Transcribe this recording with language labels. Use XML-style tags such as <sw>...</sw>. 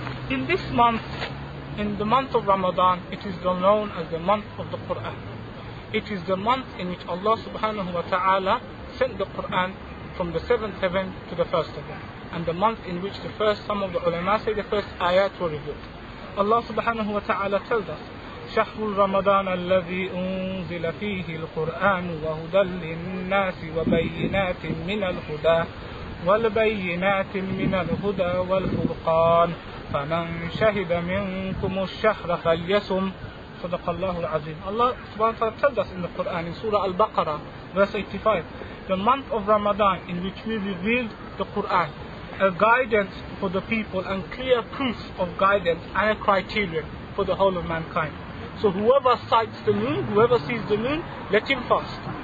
<en>In this month, in the month of Ramadan, it is known as the month of the Quran. It is the month in which Allah subhanahu wa ta'ala sent the Quran from the seventh heaven to the first heaven. And the month in which some of the ulama say the first ayat were revealed. Allah subhanahu wa ta'ala tells us,</en> <ar>شهر رمضان الذي أنزل فيه القرآن وهدى للناس وبينات من الهدى والبينات من الهدى والفرقان فمن شهد منكم الشهر فليصم صدق الله العظيم.</ar> <en>Allah subhanahu wa ta'ala tells us in the Quran in Surah Al-Baqarah verse 85, the month of Ramadan in which we revealed the Quran, a guidance for the people and clear proof of guidance and a criterion for the whole of mankind. So whoever sights the moon, whoever sees the moon, let him fast.</en>